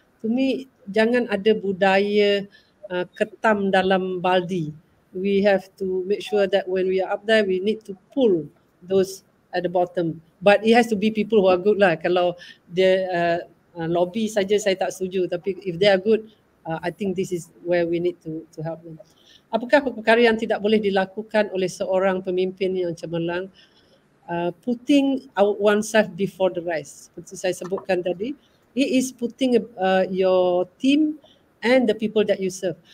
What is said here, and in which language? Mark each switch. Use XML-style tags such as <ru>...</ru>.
<en>To me,</en> <ms>jangan ada budaya ketam dalam baldi.</ms> <en>We have to make sure that when we are up there, we need to pull those at the bottom. But it has to be people who are good lah.</en> <ms>Kalau dia lobby saja, saya tak setuju. Tapi</ms> <en>if they are good, I think this is where we need to help them.</en> <ms>Apakah perkara yang tidak boleh dilakukan oleh seorang pemimpin yang cemerlang?</ms> <en>Putting oneself before the rest.</en> <ms>Seperti saya sebutkan tadi,</ms> <en>it is putting your team and the people that you serve.</en>